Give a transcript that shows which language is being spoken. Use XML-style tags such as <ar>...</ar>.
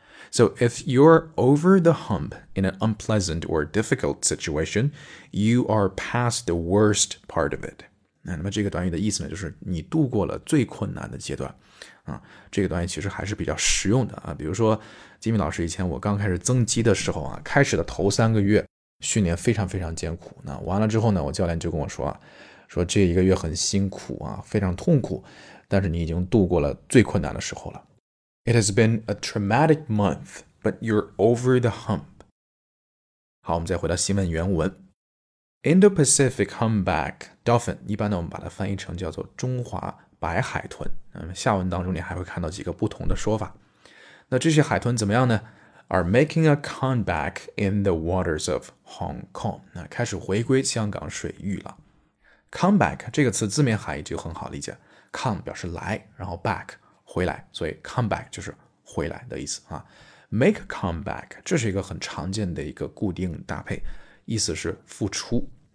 <en>So if you're over the hump in an unpleasant or difficult situation, you are past the worst part of it.</en> <zh>那么这个短语的意思呢，就是你度过了最困难的阶段。啊，这个短语其实还是比较实用的啊。比如说，金米老师以前我刚开始增肌的时候啊，开始的头三个月训练非常非常艰苦。那完了之后呢，我教练就跟我说啊，说这一个月很辛苦啊，非常痛苦，但是你已经度过了最困难的时候了。</zh> <en>It has been a traumatic month, but you're over the hump.</en> <zh>好，我们再回到新闻原文。</zh> <en>Indo-Pacific humpback dolphin,</en> <zh>一般呢我们把它翻译成叫做中华白海豚。下文当中你还会看到几个不同的说法。那这些海豚怎么样呢？</zh> <en>Are making a comeback in the waters of Hong Kong.</en> <zh>那开始回归香港水域了。 Comeback 这个词字面含义就很好理解。Come 表示来，然后 back。回来，所以 come back 就是回来的意思啊。</zh> <en>Make a comeback</en> <zh>这是一个很常见的一个固定搭配，意思是复出。</zh>